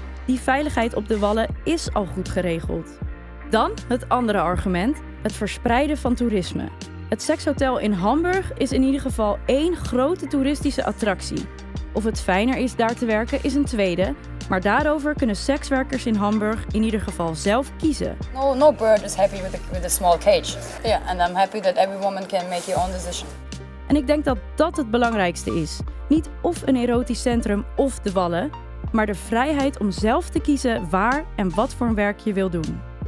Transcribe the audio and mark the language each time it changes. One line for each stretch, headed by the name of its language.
Dutch: Die veiligheid op de wallen is al goed geregeld. Dan het andere argument, het verspreiden van toerisme. Het sekshotel in Hamburg is in ieder geval één grote toeristische attractie. Of het fijner is daar te werken is een tweede, maar daarover kunnen sekswerkers in Hamburg in ieder geval zelf kiezen.
English: No bird is happy with a small cage. Yeah, and I'm happy that every woman can make your own decision.
Dutch: En ik denk dat dat het belangrijkste is. Niet of een erotisch centrum of de wallen, maar de vrijheid om zelf te kiezen waar en wat voor een werk je wil doen.